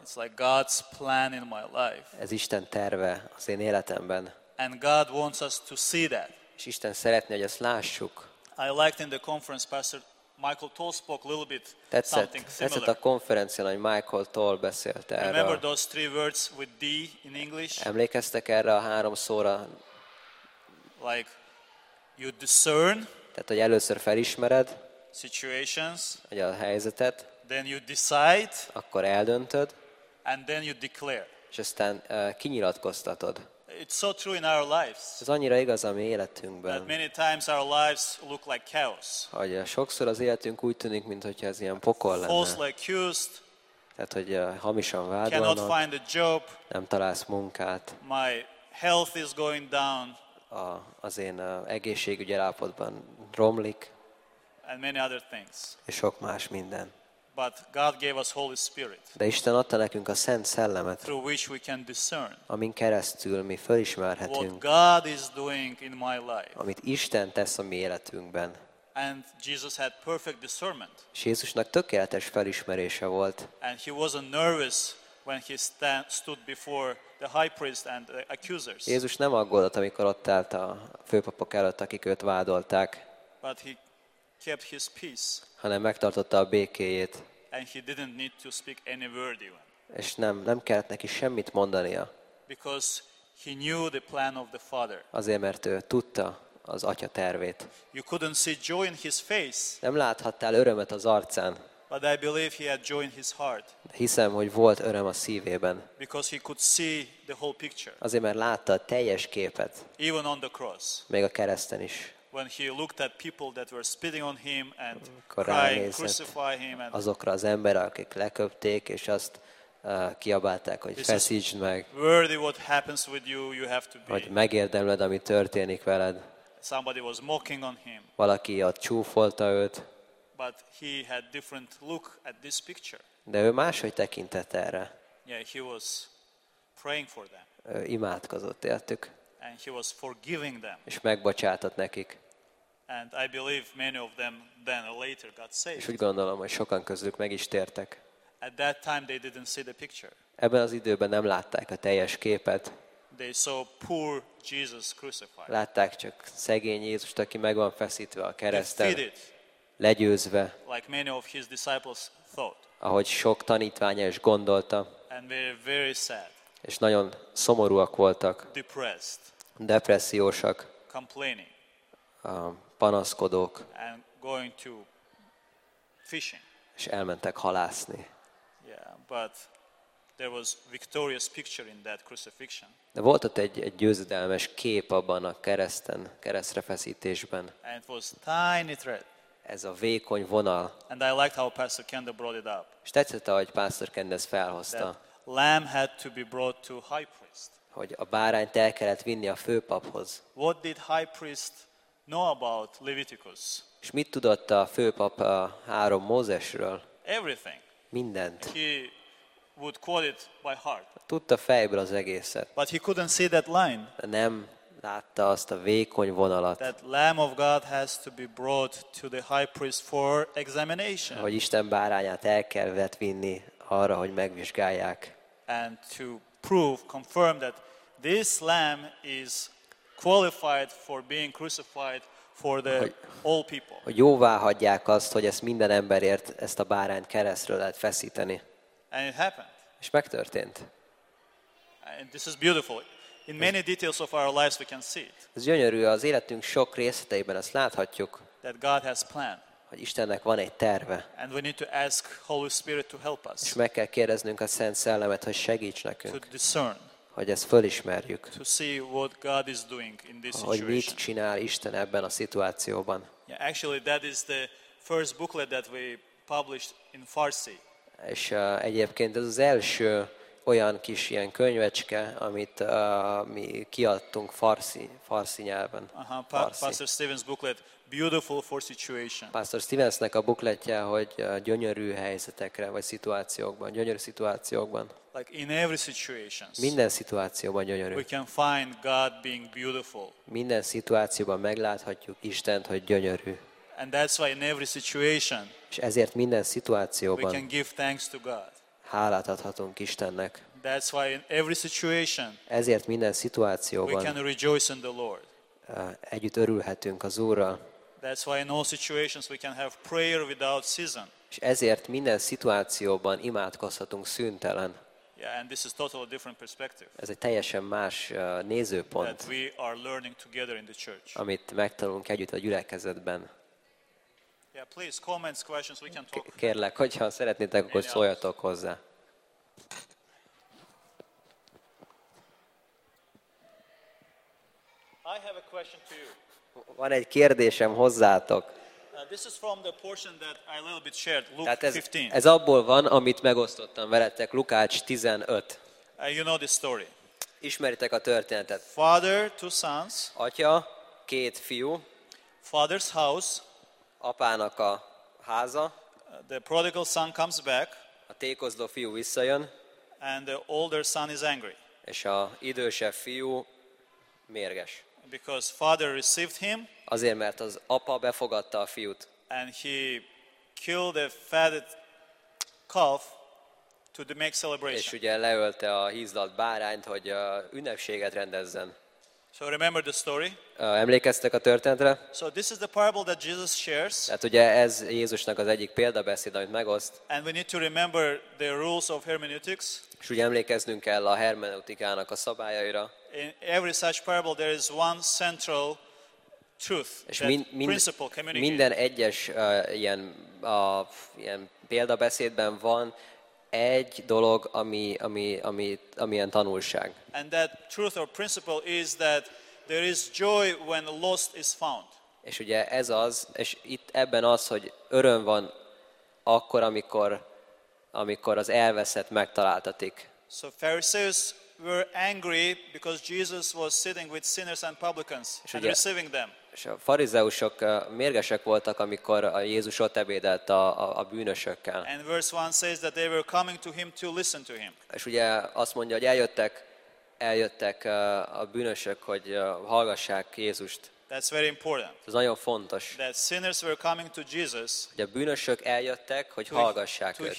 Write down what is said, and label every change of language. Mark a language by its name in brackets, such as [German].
[English] It's like God's plan in my life. [Hungarian] Ez Isten terve az én életemben. [English] And God wants us to see that. [Hungarian] És Isten szeretné, hogy ezt lássuk. [English] I liked in the conference Pastor Michael Toll spoke a little bit something similar. [Hungarian] Tetszett a konferencián, hogy Michael Toll beszélt erről. [English] Remember those three words with D in English? [Hungarian] Emlékeztek erre a három szóra? [English] Like you discern. [Hungarian] Tehát, hogy először felismered. [English] Situations. [Hungarian] Ugye a helyzetet. [English] Then you decide. [Hungarian] Akkor eldöntöd. [English] And then you declare. [Hungarian] És aztán kinyilatkoztatod. [English] It's so true in our lives. [Hungarian] Ez annyira igaz a mi életünkben. [English] That many times our lives look like chaos. [Hungarian] Hogy sokszor az életünk úgy tűnik, mintha ez ilyen pokol lenne. [English] Falsely accused. [Hungarian] Tehát, hogy hamisan vádolnak. [English] Cannot find a job. [Hungarian] Nem találsz munkát. [English] My health is going down. [Hungarian] Az én egészségügyi állapotban romlik. [English] And many other things. [Hungarian] És sok más minden. [English] But God gave us Holy Spirit. [Hungarian] De Isten adta nekünk a Szent Szellemet. [English] Through which we can discern. [Hungarian] Amin keresztül mi felismerhetünk. [English] What God is doing in my life. [Hungarian] Amit Isten tesz a mi életünkben. [English] And Jesus had perfect discernment. [Hungarian] És Jézusnak tökéletes felismerése volt. [English] And he wasn't nervous when he stood before the high priest and the accusers. [Hungarian] Jézus nem aggódott, amikor ott állt a főpapok előtt, akik őt vádolták. [English] But he kept his peace. [Hungarian] Hanem megtartotta a békéjét. [English] And he didn't need to speak any word even. [Hungarian] És nem kellett neki semmit mondania. [English] Because he knew the plan of the Father. [Hungarian] Azért, mert ő tudta az Atya tervét. [English] You couldn't see joy in his face. [Hungarian] Nem láthattál örömet az arcán. [English] But I believe he had joy in his heart. [Hungarian] Hiszem, hogy volt öröm a szívében. [English] Because he could see the whole picture. [Hungarian] Azért, mert látta a teljes képet. [English] Even on the cross. [Hungarian] Még a kereszten is. [English] When he looked at people that were spitting on him and crying, crucify him, and [Hungarian] azokra az emberek, akik leköpték, és azt kiabálták, hogy feszítsd meg. [English] Worthy what happens with you, you have to be. [Hungarian] Hogy megérdemled, ami történik veled. [English] Somebody was mocking on him. [Hungarian] Valaki ott csúfolta őt. [English] But he had different look at this picture. [Hungarian] De ő máshogy tekintett erre. [English] Yeah, he was praying for them. [Hungarian] Ő imádkozott értük. [English] And he was forgiving them. [Hungarian] És megbocsátott nekik. [English] And I believe many of them then later got saved. [Hungarian] És úgy gondolom, hogy sokan közülük meg is tértek. [English] At that time they didn't see the picture. [Hungarian] Ebben az időben nem látták a teljes képet. [English] They saw poor Jesus crucified. [Hungarian] Látták csak szegény Jézust, aki meg van feszítve a kereszten. [English] Defeated. [Hungarian] Legyőzve. [English] Like many of his disciples thought. [Hungarian] Ahogy sok tanítványa is gondolta. [English] And very, very sad. [Hungarian] És nagyon szomorúak voltak. [English] Depressed. [Hungarian] Depressziósak. [English] Complaining. [Hungarian] Panaszkodók. [English] And going to fishing. [Hungarian] És elmentek halászni. [English] Yeah, but there was victorious picture in that crucifixion. [Hungarian] De volt ott egy győzedelmes kép abban a kereszten, keresztre feszítésben. [English] And it was tiny thread. [Hungarian] Ez a vékony vonal. [English] And I liked how Pastor Kendall brought it up. [Hungarian] És tetszett, ahogy Pastor Kendall felhozta. [English] Lamb had to be brought to high priest. [Hungarian] Hogy a bárányt el kellett vinni a főpaphoz. [English] What did high priest know about Leviticus? [Hungarian] És mit tudott a főpap a három Mózesről? [English] Everything. [Hungarian] Mindent. [English] He would quote it by heart. [Hungarian] Tudta fejből az egészet. [English] But he couldn't see that line. [Hungarian] Nem látta azt a vékony vonalat. [English] That lamb of God has to be brought to the high priest for examination. [Hungarian] Hogy Isten bárányát el kellett vinni arra, hogy megvizsgálják. [English] And to prove, confirm that this lamb is qualified for being crucified for the all people. [Hungarian] Hogy jóvá hagyják azt, hogy ezt minden emberért, ezt a bárányt keresztről lehet feszíteni. [English] And it happened. [Hungarian] És megtörtént. [English] And this is beautiful. In many details of our lives we can see it. [Hungarian] Ez gyönyörű, az életünk sok részleteiben ezt láthatjuk. [English] That God has planned. [Hungarian] Hogy Istennek van egy terve. [English] And we need to ask Holy Spirit to help us. [Hungarian] És meg kell kérdeznünk a Szent Szellemet, hogy segíts nekünk. [English] To discern. [Hungarian] Hogy ezt fölismerjük. [English] To see what God is doing in this situation. [Hungarian] Hogy mit csinál Isten ebben a szituációban. [English] Yeah, actually that is the first booklet that we published in Farsi. [Hungarian] És egyébként ez az első olyan kis ilyen könyvecske, amit mi kiadtunk farsi nyelven. [English] Aha, Pastor Stevens booklet, Beautiful for Situation. [Hungarian] Pastor Stevensnek a bukletje, hogy gyönyörű helyzetekre vagy szituációkban, gyönyörű szituációkban. [English] Like in every situation. [Hungarian] Minden szituációban gyönyörű. [English] We can find God being beautiful. [Hungarian] Minden szituációban megláthatjuk Istent, hogy gyönyörű. [English] And that's why in every situation. [Hungarian] És ezért minden szituációban. [English] We can give thanks to God. [Hungarian] Hálát adhatunk Istennek. [English] That's why in every situation. [Hungarian] Ezért minden szituációban. [English] We can rejoice in the Lord. [Hungarian] Együtt örülhetünk az Úrral. [English] That's why in all situations we can have prayer without season. [Hungarian] És ezért minden szituációban imádkozhatunk szüntelen. [English] Yeah, and this is totally different perspective. [Hungarian] Ez egy teljesen más nézőpont. [English] That we are learning together in the church. [Hungarian] Amit megtanulunk együtt a gyülekezetben. [English] Yeah, please comments, questions, we can talk. [Hungarian] Kérlek, hogyha szeretnétek, akkor szóljatok hozzá. [English] I have a question to you. [Hungarian] Van egy kérdésem hozzátok. [English] This is from the portion that I a little bit shared, Luke 15. [Hungarian] Ez abból van, amit megosztottam veletek, Lukács 15. [English] You know this story. [Hungarian] Ismeritek a történetet. [English] Father, two sons. [Hungarian] Atya, két fiú. [English] Father's house. [Hungarian] Apának a háza. [English] The prodigal son comes back. [Hungarian] A tékozló fiú visszajön. [English] And the older son is angry. [Hungarian] És a idősebb fiú mérges. [English] Because father received him. [Hungarian] Azért, mert az apa befogadta a fiút. [English] And he killed a fatted calf to make celebration. [Hungarian] És ugye leölte a hízlalt bárányt, hogy ünnepséget rendezzen. [English] So remember the story? [Hungarian] Emlékeztek a történetre? [English] So this is the parable that Jesus shares. [Hungarian] Hát ugye ez Jézusnak az egyik példabeszéd, amit megoszt. [English] And we need to remember the rules of hermeneutics. [Hungarian] És ugye emlékeznünk kell a hermeneutikának a szabályaira. [English] In every such parable there is one central truth. És principle communicated. [Hungarian] Minden egyes ilyen példabeszédben van egy dolog, amilyen tanulság. [English] And that truth or principle is that there is joy when lost is found. [Hungarian] És ugye ez az, és itt ebben az, hogy öröm van akkor, amikor az elveszett megtaláltatik. [English] So Pharisees were angry because Jesus was sitting with sinners and publicans and receiving them. [Hungarian] És a farizeusok mérgesek voltak, amikor a Jézus ott ebédelt a bűnösökkel. [English] And verse 1 says that they were coming to him to listen to him. [Hungarian] És ugye azt mondja, hogy eljöttek a bűnösök, hogy hallgassák Jézust. [English] That's very important. [Hungarian] Ez nagyon fontos. [English] That sinners were coming to Jesus. [Hungarian] Hogy a bűnösök eljöttek, hogy hallgassák őt.